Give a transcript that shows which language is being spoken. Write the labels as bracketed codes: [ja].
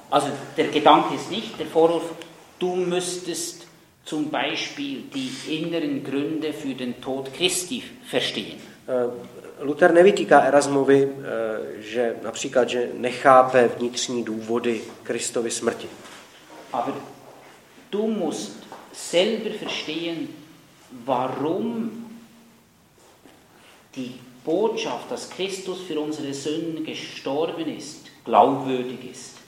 [de] Also der Gedanke ist nicht, der Vorwurf, du müsstest zum Beispiel die inneren Gründe für den Tod Christi verstehen. [cs] Luther nevytýká Erasmovi, že například, že nechápe vnitřní důvody Kristovy smrti. [de] Aber du musst selber verstehen, warum die Botschaft, dass Christus für unsere Sünden gestorben ist, glaubwürdig ist.